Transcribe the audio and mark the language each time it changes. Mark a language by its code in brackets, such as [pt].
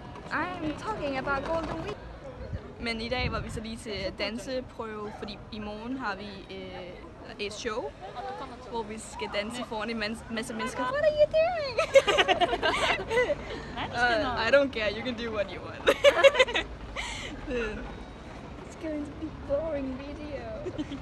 [en] I'm talking about Golden Week. [da] Men i dag var vi så lige til danseprøve, fordi i morgen har vi et show, hvor vi skal danse foran en masse mennesker. [en] What are you doing? I don't care, you can do what you want. It's going to be boring video.